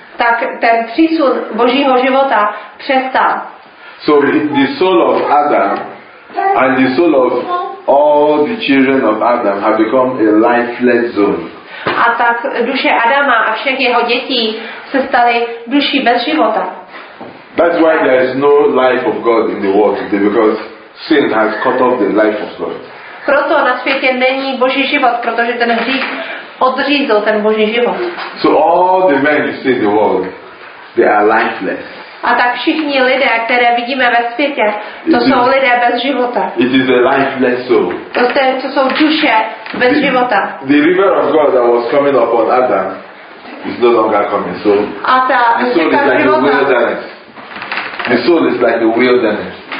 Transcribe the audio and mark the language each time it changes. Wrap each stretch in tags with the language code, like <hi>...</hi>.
<cs>Tak ten přísun Božího života přestal.</cs> <en>So the soul of Adam and the soul of all the children of Adam have become a lifeless zone.</en> <cs>A tak duše Adama a všech jeho dětí se staly duší bez života.</cs> <en>That's why there is no life of God in the world today, because sin has cut off the life of God.</en> <cs>Proto na světě není Boží život, protože ten hřích odřízl ten Boží život.</cs> <en>So all the men you see in the world, they are lifeless.</en> <cs>A tak všichni lidé, které vidíme ve světě, to jsou lidé bez života.</cs> <en>It is a lifeless soul.</en> <cs>To jsou duše bez života.</cs> <en>The river of God that was coming upon Adam is no longer coming. So</en> <cs>a ta</cs> <en>soul is like a wilderness. The soul is like a wilderness.</en>